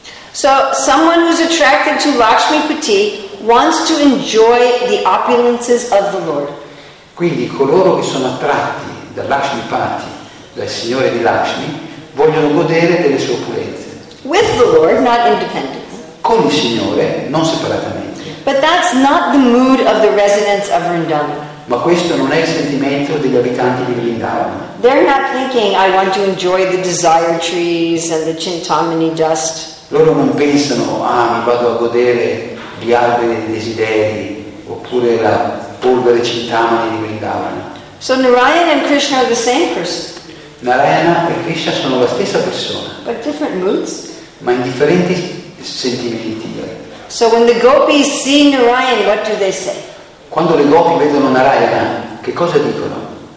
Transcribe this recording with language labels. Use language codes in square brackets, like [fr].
[en] So someone who's attracted to Lakshmipati wants to enjoy the opulences of the Lord. [it] Quindi coloro che sono attratti da Lakshmipati, dal Signore di Lakshmi, vogliono godere delle sue opulenze. [en] With the Lord, not independently. [it] Con il Signore, non separatamente. [en] But that's not the mood of the residents of Vrindavan. [it] Ma questo non è il sentimento degli abitanti di Vrindavan. [en] They're not thinking, I want to enjoy the desire trees and the Chintamani dust. [it] Loro non pensano, ah, mi vado a godere gli alberi dei desideri oppure la polvere Chintamani di Vrindavan. [en] So Narayan and Krishna are the same person. [it] Narayana e Krishna sono la stessa persona. [en] But different moods. [it] Ma in differenti sentimenti. [en] So when the gopis see Narayan, what do they say? [it] Quando le gopi vedono Narayana, che cosa dicono?